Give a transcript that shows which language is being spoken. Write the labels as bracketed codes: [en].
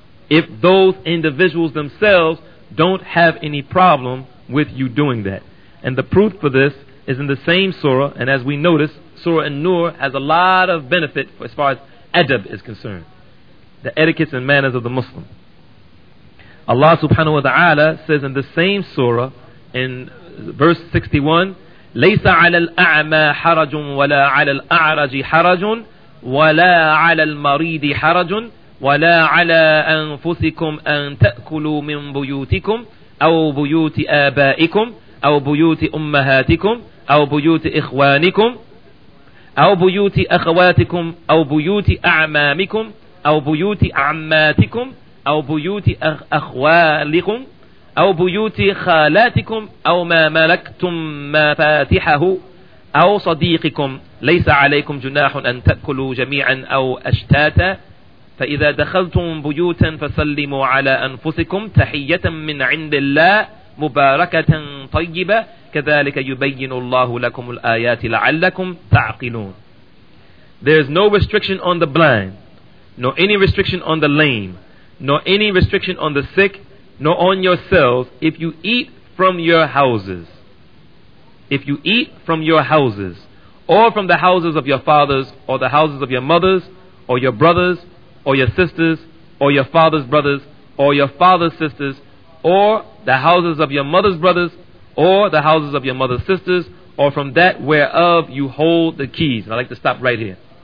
[en] If those individuals themselves don't have any problem with you doing that. And the proof for this is in the same surah, and as we notice, Surah An-Nur has a lot of benefit for, as far as adab is concerned, the etiquettes and manners of the Muslim. Allah subhanahu wa ta'ala says in the same surah, in verse 61, [ar] لَيْسَ عَلَى الْأَعْمَى حَرَجٌ وَلَا عَلَى الْأَعْرَجِ حَرَجٌ وَلَا عَلَى الْمَرِيدِ حَرَجٌ وَلَا عَلَى أَنفُسِكُمْ أَن تَأْكُلُوا مِن بُيُوتِكُمْ أَوْ بُيُوتِ آبَائِكُمْ أَوْ بُيُوتِ أُمَّهَاتِكُمْ أَوْ بُيُوتِ إِخْوَانِكُمْ أَوْ بُيُوتِ أَخَوَاتِكُمْ أَوْ بُيُوتِ أَعْمَامِكُمْ أَوْ بُيُوتِ عَمَّاتِكُمْ أَوْ بُيُوتِ أَخْوَالِكُمْ أَوْ بُيُوتِ خَالَاتِكُمْ أَوْ مَا مَلَكْتُم مَفَاتِحَهُ أَوْ صَدِيقِكُمْ لَيْسَ عَلَيْكُمْ جُنَاحٌ أَن تَأْكُلُوا جَمِيعًا أَوْ أَشْتَاتًا فَإِذَا دَخَلْتُمْ بُيُوتًا فَسَلِّمُوا عَلَى أَنفُسِكُمْ تَحِيَّةً مِنْ عِنْدِ اللَّهِ مُبَارَكَةً طَيِّبَةً كَذَلِكَ يُبَيِّنُ اللَّهُ لَكُمُ الْآيَاتِ لَعَلَّكُمْ تَعْقِلُونَ. [en] There is no restriction on the blind, nor any restriction on the lame, nor any restriction on the sick, nor on yourselves if you eat from your houses. If you eat from your houses, or from the houses of your fathers, or the houses of your mothers, or your brothers, or your sisters, or your father's brothers, or your father's sisters, or the houses of your mother's brothers, or the houses of your mother's sisters, or from that whereof you hold the keys. I'd like to stop right here.